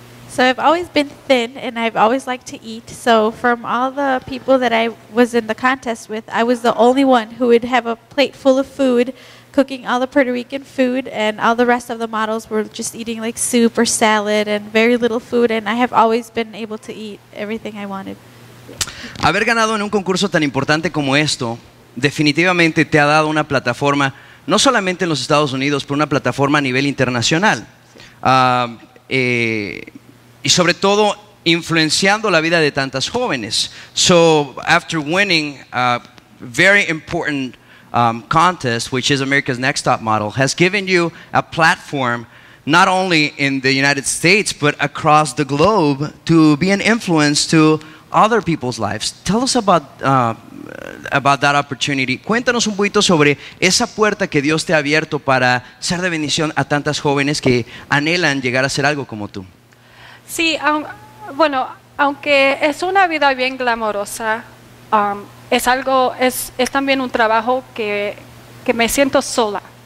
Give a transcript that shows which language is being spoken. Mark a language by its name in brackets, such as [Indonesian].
[English] So I've always been thin and I've always liked to eat. So from all the people that I was in the contest with, I was the only one who would have a plate full of food, cooking all the Puerto Rican food, and all the rest of the models were just eating like soup or salad and very little food, and I have always been able to eat everything I wanted. [Spanish] Haber ganado en un concurso tan importante como esto definitivamente te ha dado una plataforma, no solamente en los Estados Unidos, pero una plataforma a nivel internacional. Y sobre todo influenciando la vida de tantas jóvenes. [English] So after winning a very important contest, which is America's Next Top Model, has given you a platform not only in the United States but across the globe to be an influence to other people's lives. Tell us about that opportunity. [Spanish] Cuéntanos un poquito sobre esa puerta que Dios te ha abierto para ser de bendición a tantas jóvenes que anhelan llegar a ser algo como tú. Sí, aunque es una vida bien glamorosa, es algo, es también un trabajo que me siento sola.